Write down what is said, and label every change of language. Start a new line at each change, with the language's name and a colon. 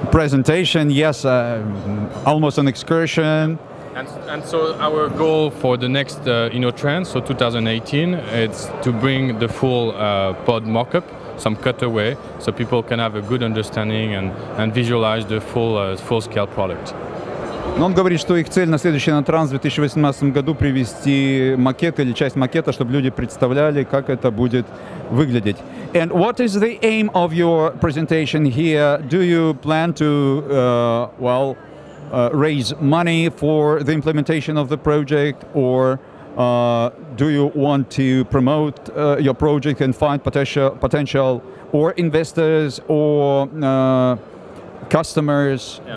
English: Presentation, yes, almost an excursion. And so our goal for the next InnoTrans, so 2018, it's to bring the full pod mockup, some cutaway, so people can have a good understanding and visualize the full full-scale product.
Russian: Но он говорит, что их цель на следующий InnoTrans в 2018 году привести макет или часть макета, чтобы люди представляли, как это будет выглядеть.
English: And what is the aim of your presentation here? Do you plan to raise money for the implementation of the project, or do you want to promote your project and find potential or investors or customers yeah.